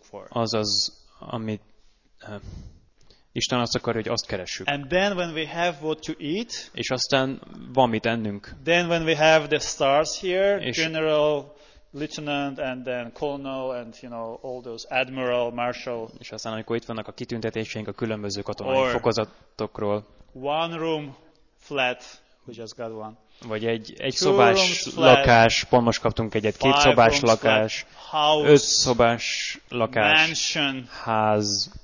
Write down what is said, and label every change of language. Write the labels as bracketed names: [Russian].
[Hungarian] Azaz, amit Isten azt akarja, hogy azt keressük. [English] And then when we have what to eat, [Hungarian] és aztán van mit ennünk. [English] Then when we have the stars here, general, lieutenant, and then colonel, and you know all those admiral, marshal. [Hungarian] És aztán amikor itt vannak a kitüntetéseink a különböző katonai fokozatokról. [English] One room flat, we just got one. [Hungarian] Vagy egy szobás lakás, pont most kaptunk egyet, két szobás lakás, öt szobás lakás, [English] mansion, [Hungarian] ház.